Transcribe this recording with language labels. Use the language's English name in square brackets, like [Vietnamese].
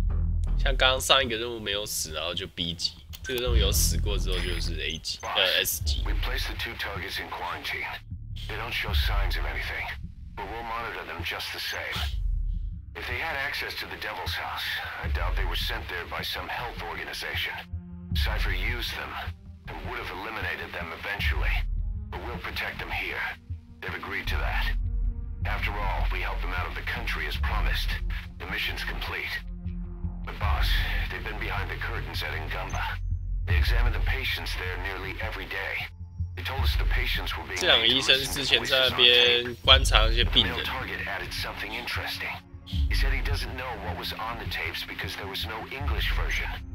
[Chinese] 死了一遍，哦，死哦！虽然死了一遍，他好像这个游戏应该就是要死过之后，你分数就会比较高。像刚刚上一个任务没有死，然后就 B 级。这个任务有死过之后就是 A 级， S 级。 [English] We placed the two targets in quarantine. They don't show signs of anything, but we'll monitor them just the same. If they had access to the Devil's House, I doubt they were sent there by some health organization. Cipher used them and would have eliminated them eventually, but we'll protect them here. They've agreed to that. After all, we helped them out of the country as promised. The mission's complete. But boss, they've been behind the curtains at Ngumba. They examined the patients there nearly every day. They told us the patients were being monitored. [Chinese] 这两个医生之前在那边观察一些病人。 [English] The target added something interesting. He said he doesn't know what was on the tapes because there was no English version.